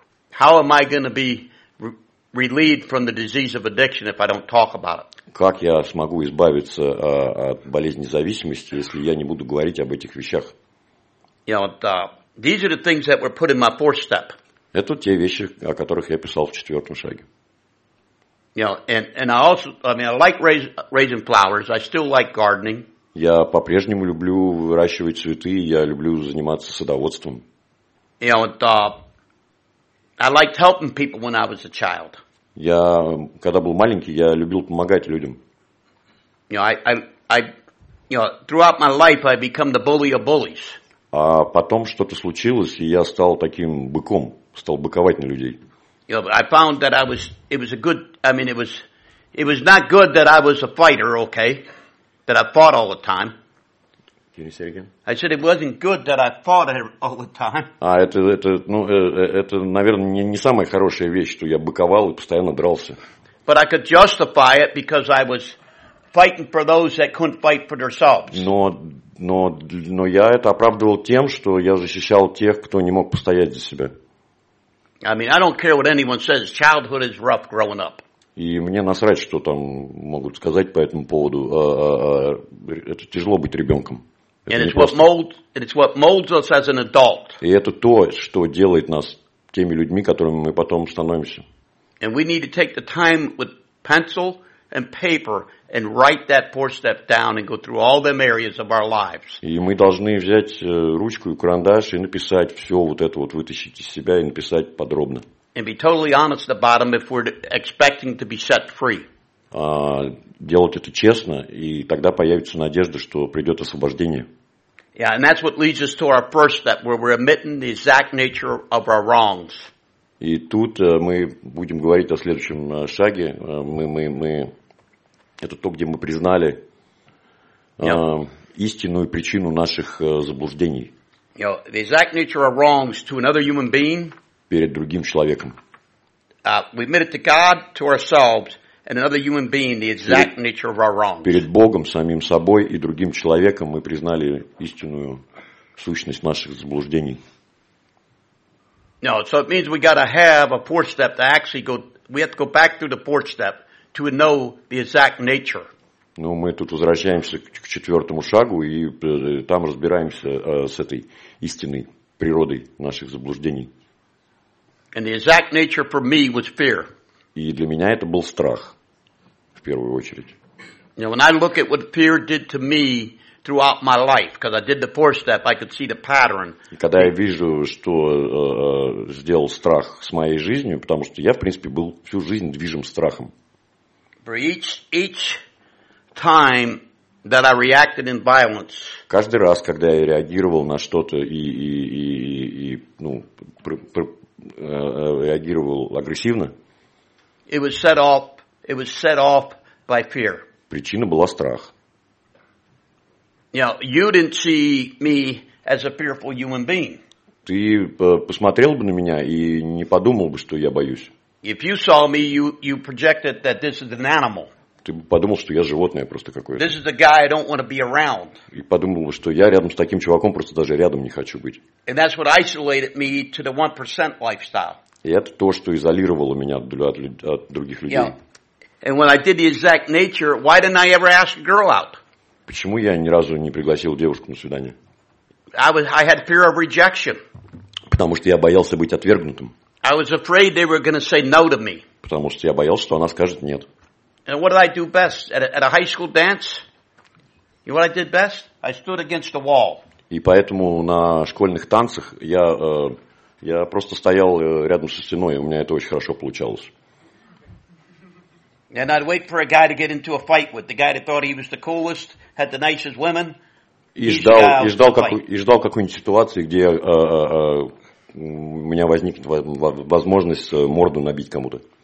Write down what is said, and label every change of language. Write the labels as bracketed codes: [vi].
[en] How am I going to be relieved from the disease of addiction if I don't talk about it? [ru] Как я смогу избавиться от болезни зависимости, если я не буду говорить об этих вещах? [en] You know, these are the things that were put in my fourth step. [ru] Это те вещи, о которых я писал в четвертом шаге. [en] You know, and I also, I mean, I like raising flowers. I still like gardening. [ru] Я по-прежнему люблю выращивать цветы. Я люблю заниматься садоводством. [en] You know, and, I liked helping people when I was a child. [ru] Я, когда был маленький, я любил помогать людям. [en] You know, I throughout my life, I become the bully of bullies. [ru] А потом что-то случилось, и я стал таким быком, стал быковать на людей. [en] You know, but I found that it was not good that I was a fighter, okay? That I fought all the time. Can you say it again? I said it wasn't good that I fought all the time. [ru] А это наверное не самая хорошая вещь, что я быковал и постоянно дрался. [en] But I could justify it because I was fighting for those that couldn't fight for themselves. [ru] Но я это оправдывал тем, что я защищал тех, кто не мог постоять за себя. [en] I mean, I don't care what anyone says. Childhood is rough growing up. [ru] И мне насрать, что там могут сказать по этому поводу. Это тяжело быть ребенком. [en] It's what molds us as an adult. [ru] И это то, что делает нас теми людьми, которыми мы потом становимся. [en] And we need to take the time with pencil and paper and write that four step down and go through all them areas of our lives. [ru] И мы должны взять ручку и карандаш и написать все вот это вот, вытащить из себя и написать подробно. [en] And be totally honest about them if we're expecting to be set free. [ru] Делать это честно, и тогда появится надежда, что придет освобождение. [en] Yeah, and that's what leads us to our first step, where we're admitting the exact nature of our wrongs. [ru] И тут мы будем говорить о следующем шаге. Это то, где мы признали истинную причину наших заблуждений. [en] You know, the exact nature of wrongs to another human being. [ru] Перед другим человеком. [en] We admit it to God, to ourselves, and another human being the exact nature of our wrongs. [ru] Перед Богом, самим собой и другим человеком мы признали истинную сущность наших заблуждений. [en] No, so it means we got to have a fourth step to actually go. We have to go back through the fourth step to know the exact nature. [ru] Ну, мы тут возвращаемся к четвертому шагу и там разбираемся с этой истинной природой наших заблуждений. [en] And the exact nature for me was fear. [ru] И для меня это был страх в первую очередь. [en] You know, when I look at what fear did to me throughout my life, because I did the fourth step, I could see the pattern. [ru] И когда я вижу, что сделал страх с моей жизнью, потому что я, в принципе, был всю жизнь движим страхом. [en] For each time that I reacted in violence. [ru] Каждый раз, когда я реагировал на что-то реагировал агрессивно. [en] It was set off by fear. [ru] Причина была страх. [en] Now, you didn't see me as a fearful human being. [ru] Ты посмотрел бы на меня и не подумал бы, что я боюсь. [en] If you saw me, you projected that this is an animal. [ru] Ты бы подумал, что я животное просто какое-то. [en] This is a guy I don't want to be around. [ru] И подумал бы, что я рядом с таким чуваком просто даже рядом не хочу быть. [en] And that's what isolated me to the 1% lifestyle. [ru] И это то, что изолировало меня от других людей. [en] Yeah. And when I did the exact nature, why didn't I ever ask a girl out? [ru] Почему я ни разу не пригласил девушку на свидание? [en] I had fear of rejection. [ru] Потому что я боялся быть отвергнутым. [en] I was afraid they were going to say no to me. [ru] Потому что я боялся, что она скажет нет. [en] And what did I do best at a high school dance? You know what I did best? I stood against the wall. [ru] И поэтому на школьных танцах я просто стоял рядом со стеной, у меня это очень хорошо получалось. [en] And I'd wait for a guy to get into a fight with the guy that thought he was the coolest, had the nicest women. [ru] И ждал какую-нибудь ситуацию, где у меня возникнет возможность морду набить кому-то.